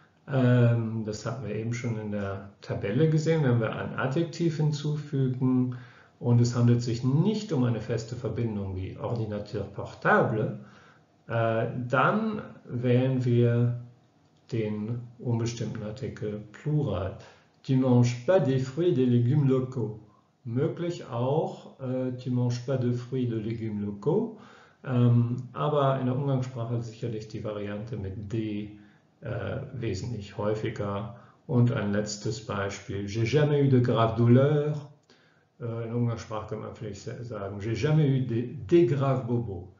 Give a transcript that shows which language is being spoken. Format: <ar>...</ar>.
<de>Das hatten wir eben schon in der Tabelle gesehen. Wenn wir ein Adjektiv hinzufügen und es handelt sich nicht um eine feste Verbindung wie ordinateur portable, dann wählen wir den unbestimmten Artikel Plural.</de> <fr>Tu manges pas des fruits et des légumes locaux.</fr> <de>Möglich auch,</de> <fr>tu manges pas de fruits et de légumes locaux.</fr> <de>Aber in der Umgangssprache sicherlich die Variante mit D wesentlich häufiger. Und ein letztes Beispiel,</de> <fr>j'ai jamais eu de graves douleurs.</fr> <de>In der Umgangssprache kann man vielleicht sagen,</de> <fr>j'ai jamais eu de graves bobos.</fr>